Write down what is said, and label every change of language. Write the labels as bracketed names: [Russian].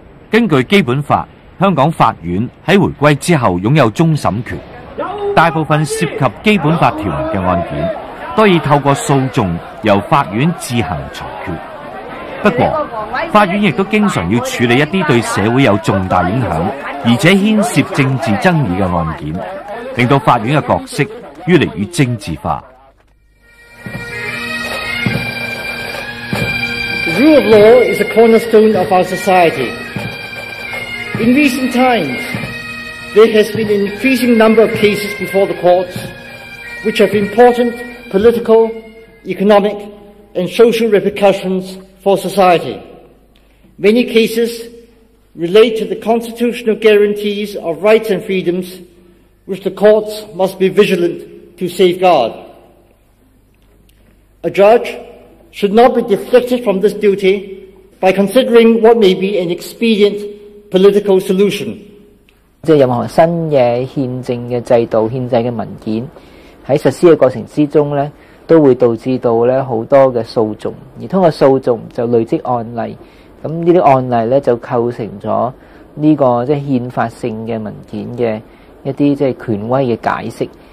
[Cantonese] 根据基本法，香港法院喺回归之后拥有终审权，大部分涉及基本法条文嘅案件都以透过诉讼由法院自行裁决。不过法院亦都经常要处理一啲对社会有重大影响而且牵涉政治争议嘅案件，令到法院嘅角色越嚟越政治化。 [English] Rule of law is a cornerstone of our society. In recent times, there has been an increasing number of cases before the courts which have important political, economic and social repercussions for society. Many cases relate to the constitutional guarantees of rights and freedoms which the courts must be vigilant to safeguard. A judge should not be deflected from this duty by considering what may be an expedient political solution. [Cantonese] 即任何新的宪政的制度、宪制的文件在实施的过程之中呢，都会导致到呢很多的诉讼，而通过诉讼就累积案例，咁呢啲案例呢就构成咗呢个即係宪法性嘅文件嘅一啲即係权威嘅解释。